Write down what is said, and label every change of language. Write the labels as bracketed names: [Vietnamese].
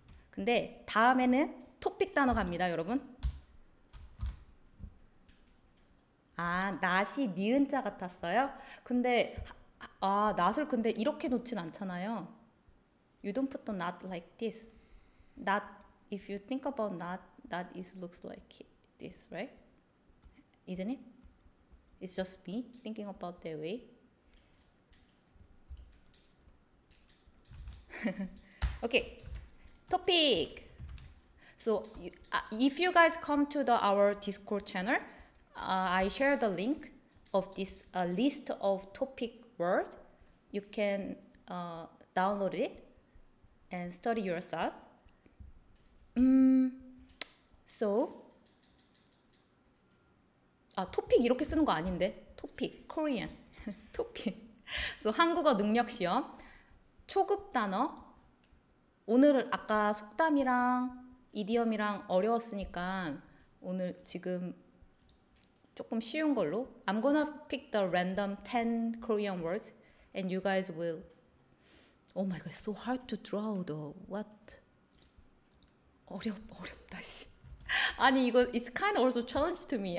[Korean] 근데 다음에는 토픽 단어 갑니다, 여러분. 아, 낫이 니은자 같았어요? 근데 낫을 근데 이렇게 놓진 않잖아요. [English] You don't put the knot like this. Not if you think about knot, that is looks like this, right? Isn't it? It's just me thinking about that way. Okay. Topic. So, if you guys come to our Discord channel, I share the link of this list of topic word. You can download it and study yourself. So, [Korean] 토픽 이렇게 쓰는 거 아닌데? 토픽, Korean, 토픽. [English] So [Korean] 한국어 능력 시험 초급 단어. 오늘 아까 속담이랑 이디엄이랑 어려웠으니까 오늘 지금 조금 쉬운 걸로. [English] I'm gonna pick the random 10 Korean words and you guys will. Oh my god, it's so hard to draw though. What? [Korean] 어렵다, 씨. 아니, 이거, [English] it's kind of also challenge to me.